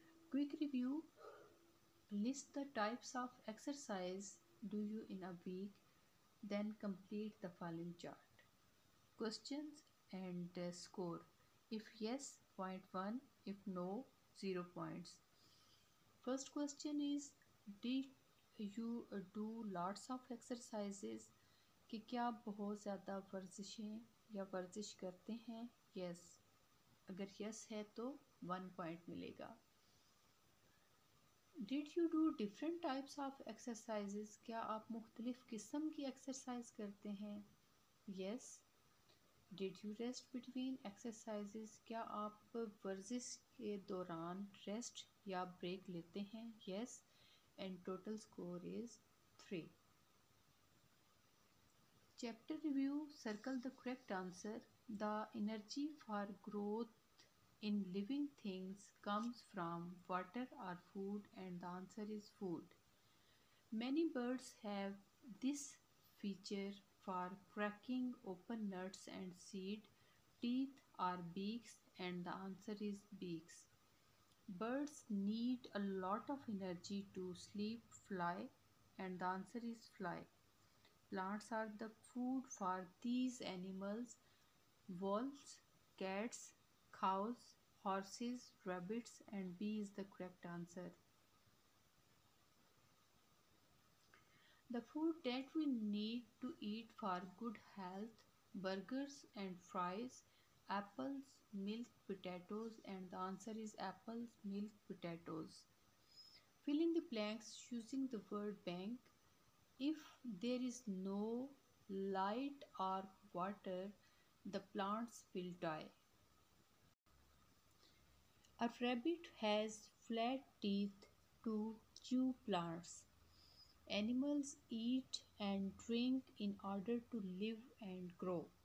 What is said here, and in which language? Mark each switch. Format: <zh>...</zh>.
<en>Quick review, list the types of exercise do you in a week, then complete the following chart. Questions and score, if yes 0.1, if no 0 points. First question is, you do lots of exercises,</en> <ur>کہ کیا آپ بہت زیادہ ورزشیں یا ورزش کرتے ہیں؟</ur> <en>Yes.</en> <ur>اگر یس ہے تو 1 پوائنٹ ملے گا.</ur> <en>did you do different types of exercises,</en> <ur>کیا آپ مختلف قسم کی ایکسرسائز کرتے ہیں؟</ur> <en>Yes. Did you rest between exercises,</en> <ur>کیا آپ ورزش کے دوران ریسٹ یا بریک لیتے ہیں؟</ur> <en>Yes. And total score is 3. Chapter review, circle the correct answer. The energy for growth in living things comes from water or food, and the answer is food. Many birds have this feature for cracking open nuts and seed. Teeth or beaks, and the answer is beaks. Birds need a lot of energy to sleep fly, and the answer is fly. Plants are the food for these animals. Wolves, cats, cows, horses, rabbits, and B is the correct answer. The food that we need to eat for good health, burgers and fries, apples, milk, potatoes, and the answer is apples, milk, potatoes. Fill in the blanks using the word bank. If there is no light or water, the plants will die. A rabbit has flat teeth to chew plants. Animals eat and drink in order to live and grow.</en>